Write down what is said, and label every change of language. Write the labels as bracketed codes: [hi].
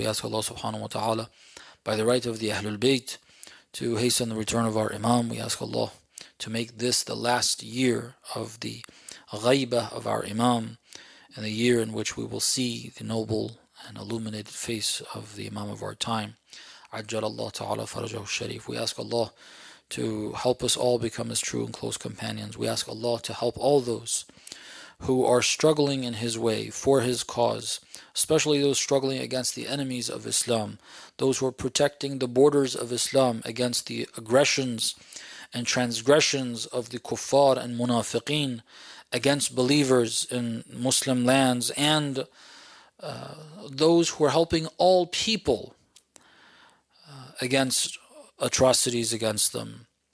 [en] We ask Allah subhanahu wa ta'ala, by the right of the Ahlul Bayt, to hasten the return of our Imam. We ask Allah to make this the last year of the ghaibah of our Imam, and the year in which we will see the noble and illuminated face of the Imam of our time. [ar] عجل الله تعالى فرجه الشريف. [en] We ask Allah to help us all become His true and close companions. We ask Allah to help all those who are struggling in His way, for His cause, especially those struggling against the enemies of Islam, those who are protecting the borders of Islam against the aggressions and transgressions of the kuffar and munafiqeen against believers in Muslim lands, and those who are helping all people against atrocities against them.